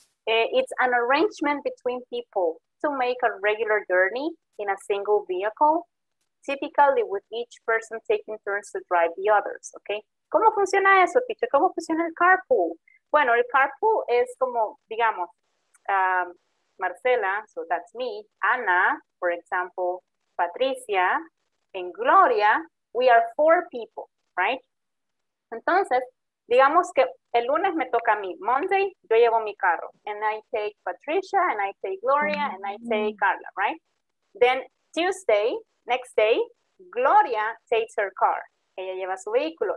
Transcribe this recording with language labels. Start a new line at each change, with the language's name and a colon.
English: It's an arrangement between people to make a regular journey in a single vehicle, typically with each person taking turns to drive the others, okay?
Spanish: ¿Cómo funciona eso, teacher? ¿Cómo funciona el carpool? Bueno, el carpool es como, digamos, Marcela,
English: so that's me,
Spanish: Ana,
English: for example,
Spanish: Patricia, and Gloria,
English: we are 4 people, right?
Spanish: Entonces, digamos que el lunes me toca a mí. Monday, yo llevo mi carro.
English: And I take Patricia, and I take Gloria, and I take Carla, right? Then Tuesday, next day, Gloria takes her car.
Spanish: Ella lleva su vehículo.